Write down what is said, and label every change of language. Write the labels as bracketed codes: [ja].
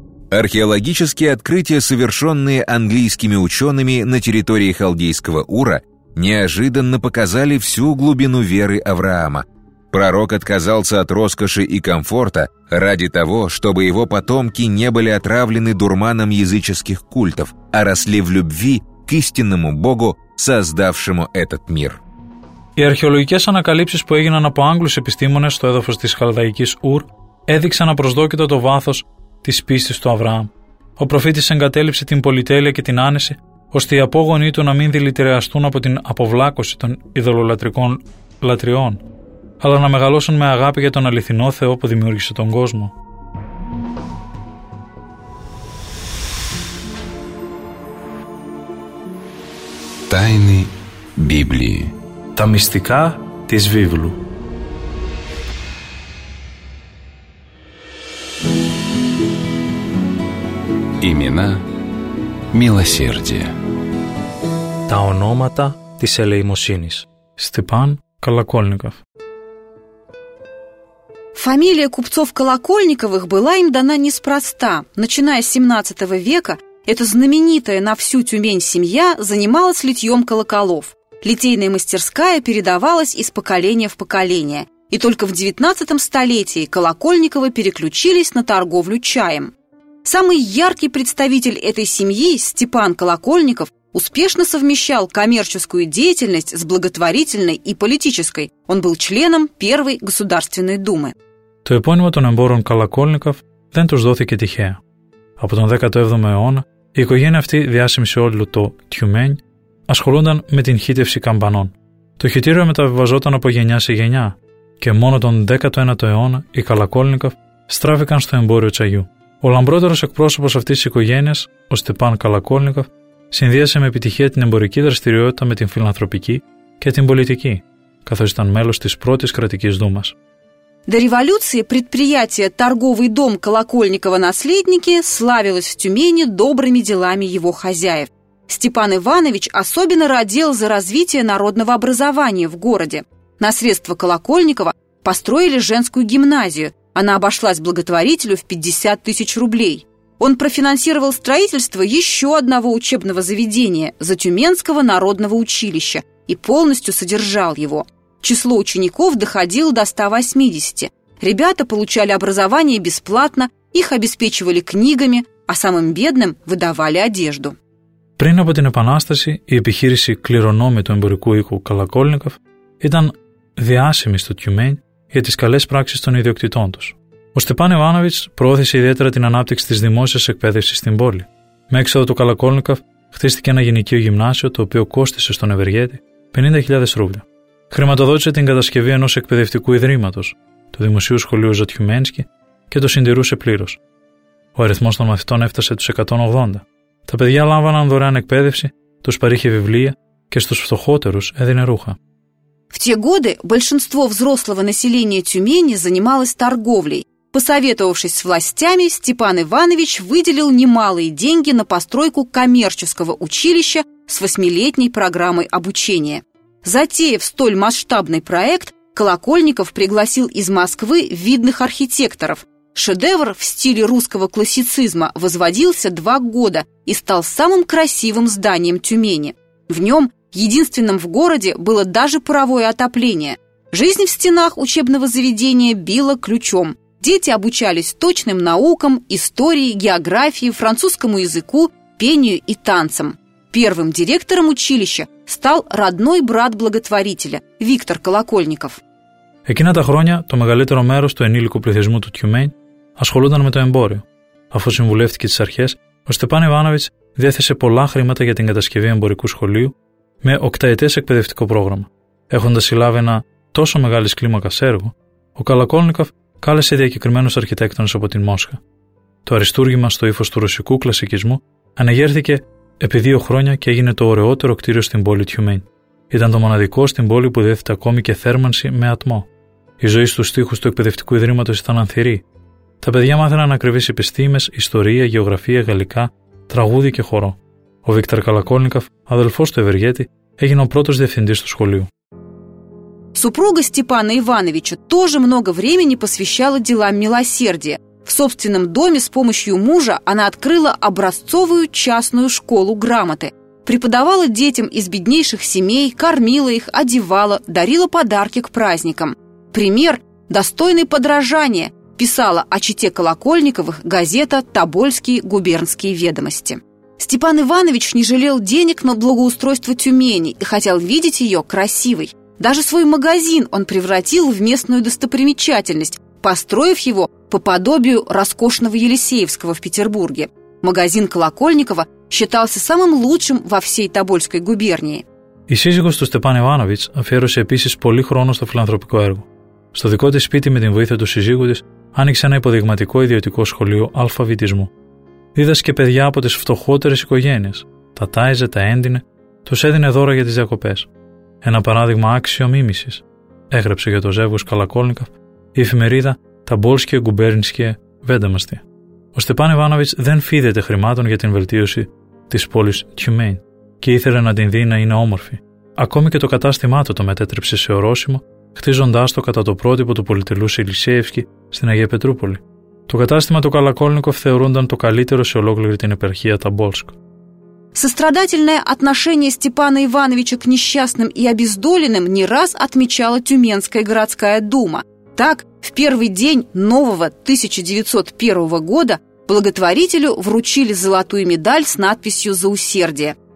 [ru] Археологические открытия, совершенные английскими учеными на территории халдейского Ура, неожиданно показали всю глубину веры Авраама. Пророк отказался от роскоши и комфорта ради того, чтобы его потомки не были отравлены дурманом языческих культов, а росли в любви к истинному Богу, создавшему этот мир. [el] Οι αρχαιολογικές ανακαλύψεις που έγιναν από Άγγλους επιστήμονες στο έδαφος της χαλδαϊκής Ουρ έδειξαν απροσδόκητο το βάθος της πίστης του Αβραάμ. Ο προφήτης εγκατέλειψε την πολυτέλεια και την άνεση, ώστε οι απόγονοί του να μην δηλητηριαστούν από την αποβλάκωση των ειδωλολατρικών λατριών, αλλά να μεγαλώσουν με αγάπη για τον αληθινό Θεό που δημιούργησε τον κόσμο. Τάινη Βίβλη. Τα μυστικά της Βίβλου. [ru] Имена милосердия. [el] Τα ονόματα της ελεημοσύνης. [ru] Степан Колокольников. Фамилия купцов Колокольниковых была им дана неспроста. Начиная с 17 века, эта знаменитая на всю Тюмень семья занималась литьем колоколов. Литейная мастерская передавалась из поколения в поколение. И только в 19 столетии Колокольниковы переключились на торговлю чаем. Самый яркий представитель этой семьи, Степан Колокольников, успешно совмещал коммерческую деятельность с благотворительной и политической. Он был членом Первой Государственной Думы. [el] То эпонимо των εμπόρων Колокольников δεν τους δόθηκε τυχαία. Από τον 17ο αιώνα, η οικογένεια αυτή, διάσημη σε όλο το Τιουμένь, ασχολούνταν με την χύτευση καμπανών. Το χυτήριο μεταβιβαζόταν από γενιά σε γενιά και μόνο τον 19ο αιώνα οι Καλακόλνικοφ στράφηκαν στο εμπόριο τσαγιού. Ο λαμπρότερος εκπρόσωπος αυτής της οικογένειας, ο Στεπάν Καλακόλνικοφ, συνδύασε με επιτυχία την εμπορική δραστηριότητα με την φιλανθρωπική και την πολιτική, καθώς ήταν μέλος της πρώτης κρατικής δούμας. [ru] До революции предприятие «Торговый дом Колокольникова наследники» славилось в Тюмени добрыми делами его хозяев. Степан Иванович особенно радел за развитие народного образования в городе. На средства Колокольникова построили женскую гимназию. Она обошлась благотворителю в 50 тысяч рублей. Он профинансировал строительство еще одного учебного заведения – Затюменского народного училища и полностью содержал его. Число учеников доходило до 180. Ребята получали образование бесплатно, их обеспечивали книгами, а самым бедным выдавали одежду. [el] Πριν από την Επανάσταση, η επιχείρηση κληρονόμη του εμπορικού οίκου Καλακόλνικοφ ήταν διάσημη στο Τιουμένь για τις καλές πράξεις των ιδιοκτητών τους. Ο Στεπάν Ιωάνοβιτς προώθησε ιδιαίτερα την ανάπτυξη της δημόσιας εκπαίδευσης στην πόλη. Με έξοδο του Καλακόλνικοφ χτίστηκε ένα γυναικείο γυμνάσιο, το οποίο κόστισε στον ευεργέτη 50.000 ρούβλια. Χρηματοδότησε την κατασκευή ενός εκπαιδευτικού ιδρύματος, του Δημοσίου Σχολείου Ζατιουμένσκι, και το συντηρούσε πλήρως. Ο αριθμός των μαθητών έφτασε τους 180. Τα παιδιά λάμβαναν δωρεάν εκπαίδευση, τους παρήχε βιβλία και στους φτωχότερους έδινε ρούχα. [ru] В те годы большинство взрослого населения Тюмени занималось торговлей. Посоветовавшись с властями, Степан Иванович выделил немалые деньги на постройку коммерческого училища с 8-летней программой обучения. Затеяв столь масштабный проект, Колокольников пригласил из Москвы видных архитекторов. Шедевр в стиле русского классицизма возводился 2 года и стал самым красивым зданием Тюмени. В нем, единственном в городе, было даже паровое отопление. Жизнь в стенах учебного заведения била ключом. Дети обучались точным наукам, истории, географии, французскому языку, пению и танцам. Первым директором училища стал родной брат благотворителя Виктор Колокольников. [el] Εκείνα τα χρόνια το μεγαλύτερο μέρος του ενήλικου πληθυσμού του Τιουμέν ασχολούνταν με το εμπόριο. Αφού συμβουλεύτηκε τις αρχές, ο Στεπάν Ιβάνοβιτς διέθεσε πολλά χρήματα για την κατασκευή εμπορικού σχολείου με 8 ετές εκπαιδευτικό πρόγραμμα. Έχοντας συλλάβει ένα τόσο μεγάλη κλίμακα έργο, ο Καλακόλνικοφ κάλεσε διακεκριμένους αρχιτέκτονες από την Μόσχα. Το αριστούργημα στο ύφος του ρωσικού κλασικισμού αναγέρθηκε επί 2 χρόνια και έγινε το ωραιότερο κτίριο στην πόλη Τιουμέν. Ήταν το μοναδικό στην πόλη που διέθετε ακόμη και θέρμανση με ατμό. Η ζωή στου τοίχου του εκπαιδευτικού ιδρύματο ήταν ανθυρή. Τα παιδιά μάθαιναν ακριβεί επιστήμε, ιστορία, γεωγραφία, γαλλικά, τραγούδι και χορό. Ο Βίκτορ Καλακόλνικοφ, αδελφό του Ευεργέτη, έγινε ο πρώτο διευθυντή του σχολείου. [ru] Супруга Степана Ивановича тоже много времени посвящала делам милосердия. В собственном доме с помощью мужа она открыла образцовую частную школу грамоты. Преподавала детям из беднейших семей, кормила их, одевала, дарила подарки к праздникам. Пример – достойный подражания, писала о чете Колокольниковых газета «Тобольские губернские ведомости». Степан Иванович не жалел денег на благоустройство Тюмени и хотел видеть ее красивой. Даже свой магазин он превратил в местную достопримечательность, построив его по подобию роскошного Елисеевского в Петербурге. Магазин Колокольникова считался самым лучшим во всей Тобольской губернии. [el] Η σύζυγος του Στεπάν Ιβάνοβιτς αφιέρωσε επίσης πολύ χρόνο στο φιλανθρωπικό έργο. Στο δικό της σπίτι με την βοήθεια του σύζυγου της άνοιξε ένα υποδειγματικό ιδιωτικό σχολείο αλφαβητισμού. Δίδασκε παιδιά από τις φτωχότερες οικογένειες. Τα τάιζε, τα έντυνε, τους έδινε δώρα για τις διακοπές. Ένα παράδειγμα άξιο μίμησης, έγραψε για το ζεύγος Καλακόλνικοφ η εφημερίδα «Ταμπόλσκια Γκουμπέρνσκια Βέντεμαστη». Ο Στεπάν Ιβάνοβιτς δεν φίδεται χρημάτων για την βελτίωση της πόλης Τιουμέν και ήθελε να την δει να είναι όμορφη. Ακόμη και το κατάστημά του το μετέτρεψε σε ορόσημο, χτίζοντάς το κατά το πρότυπο του πολυτελούς Ηλισέευσκη στην Αγία Πετρούπολη. Το κατάστημα του Καλακόλνικοφ θεωρούνταν το καλύτερο σε ολόκληρη την επαρχία Ταμπόλσκ. [ru] Сострадательное отношение Степана Ивановича к несчастным и обездоленным не раз отмечала Тюменская городская дума. Так, в первый день нового 1901 года благотворителю вручили золотую медаль с надписью «За усердие».